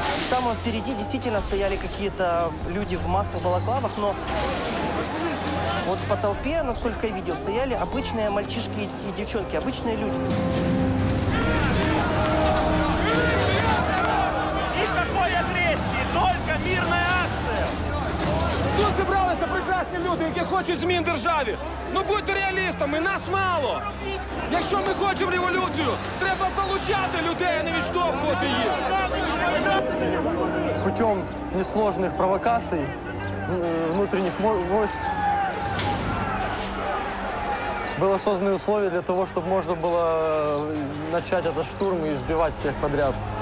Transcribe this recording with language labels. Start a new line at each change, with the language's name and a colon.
Russian: Там впереди действительно стояли какие-то люди в масках, балаклавах, но вот по толпе, насколько я видел, стояли обычные мальчишки и девчонки, обычные люди. Никакой агрессии, только мирная акция!
Ukrainian: Тут зібралися прекрасні люди, які хочуть змін державі. Ну будьте реалістами, нас мало. Якщо ми хочемо революцію, треба залучати людей, а не відштовхувати їх. Путем несложних провокацій внутрішніх войск
Russian: Были созданы условия для того, чтобы можно было начать этот штурм и сбивать всех подряд.